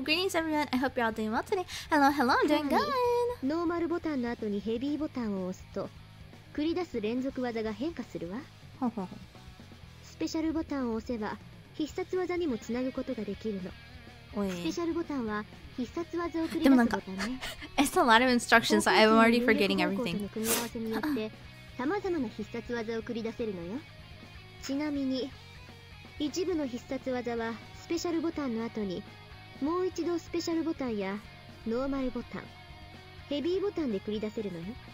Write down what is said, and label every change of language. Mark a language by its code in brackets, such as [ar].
[en] Greetings, everyone. I hope you're all doing well today. Hello, hello. I'm doing good. [ja] ノーマルボタンの後にヘビーボタンを押すと、繰り出す連続技が変化するわ。ほうほうほう。スペシャルボタンを押せば、必殺技にもつなぐことができるの。おい。スペシャルボタンは必殺技を繰り出すボタンね。でもなんか、 [en] It's a lot of instructions, so I'm already forgetting everything. [ja] 攻撃の入力方法との組み合わせによって、さまざまな必殺技を繰り出せるのよ。ちなみに、一部の必殺技は、スペシャルボタンの後にもう一度スペシャルボタンやノーマルボタン、ヘビーボタンで繰り出せるのよ。